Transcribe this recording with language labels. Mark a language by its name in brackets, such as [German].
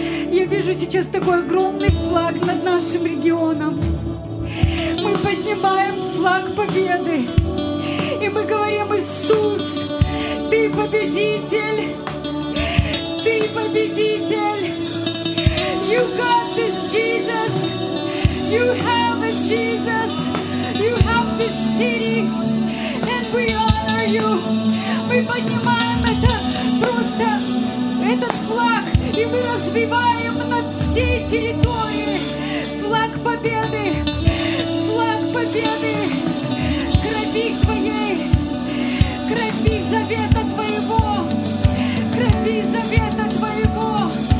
[Russian] Я вижу сейчас такой огромный флаг над нашим регионом. Мы поднимаем флаг победы, и мы говорим: Иисус, Ты победитель, Ты победитель. [English] You got this, Jesus. You have it, Jesus. You have this city, and we honor you. [Russian] Мы поднимаем это просто этот флаг, и мы развиваем над всей территорией флаг победы. Победы, крови Твоей, крови завета Твоего, крови завета Твоего.